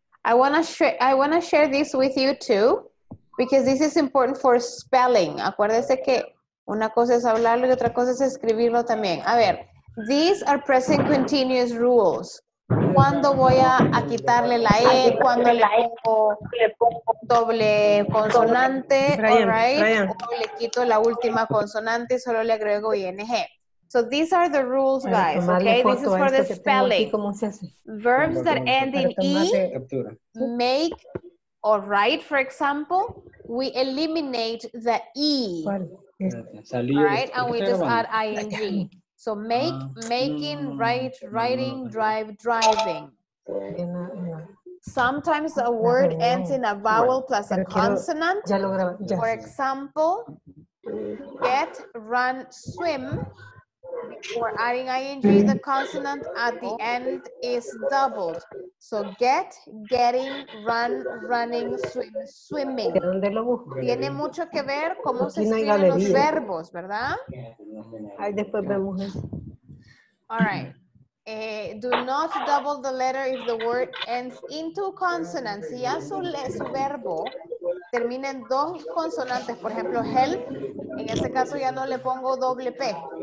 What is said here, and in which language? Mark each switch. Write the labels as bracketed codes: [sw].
[en] I wanna share this with you too, because this is important for spelling. [es] Acuérdese que una cosa es hablarlo y otra cosa es escribirlo también. A ver, [en] these are present continuous rules. [es] ¿Cuándo voy a quitarle la E? ¿Cuándo le pongo doble consonante? [en] Brian, all right? [es] ¿O le quito la última consonante y solo le agrego ing? [en] So these are the rules, guys, okay? This is for the spelling. Verbs that end in E, make or write, for example, we eliminate the E, right? And we just add ing. So make, making, write, writing, drive, driving. Sometimes a word ends in a vowel plus a consonant. For example, get, run, swim. Before adding ing, the consonant at the end is doubled. So get, getting, run, running, swim, swimming. [es] Tiene mucho que ver cómo se escriben los verbos, ¿verdad? Ahí después vemos eso. [en] All right. Do not double the letter if the word ends in two consonants. [es] Si ya su verbo termina en dos consonantes, por ejemplo, help, en ese caso ya no le pongo doble P.